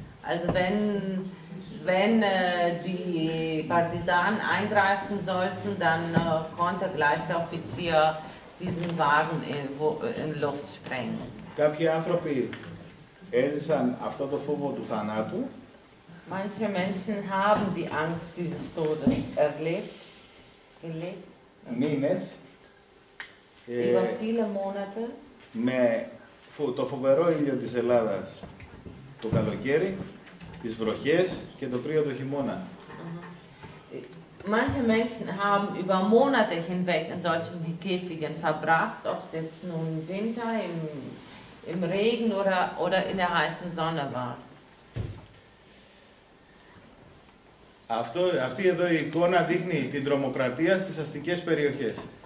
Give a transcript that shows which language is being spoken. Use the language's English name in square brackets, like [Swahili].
[German] Also wenn die Partisanen eingreifen sollten, dann konnte gleich der Offizier diesen Wagen in Luft sprengen. [Greek] Κάποιοι άνθρωποι έζησαν αυτό το φόβο του θανάτου. [German] Manche Menschen haben die Angst dieses Todes erlebt, gelebt. [Greek] Μήνες. [German] Über viele Monate. [Greek] Με το φοβερό ήλιο της Ελλάδας το καλοκαίρι, τις βροχές και το κρύο το χειμώνα. [German] Manche Menschen haben über Monate hinweg in solchen Käfigen verbracht, ob es jetzt nun im Winter, im Regen oder in der heißen Sonne war. [Greek] Αυτή εδώ η εικόνα δείχνει την τρομοκρατία στις αστικές περιοχές.